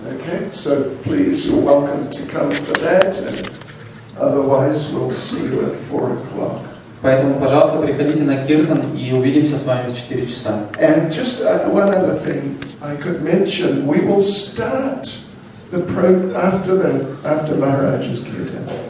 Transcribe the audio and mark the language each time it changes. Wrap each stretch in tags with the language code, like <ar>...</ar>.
<en>Okay, so please, you're welcome to come for that, and otherwise we'll see you at 4:00.</en> <ru>Поэтому, пожалуйста, приходите на киртан и увидимся с вами в 4 часа.</ru> <en>And just one other thing I could mention. We will start the program after Maharaj's kirtan.</en>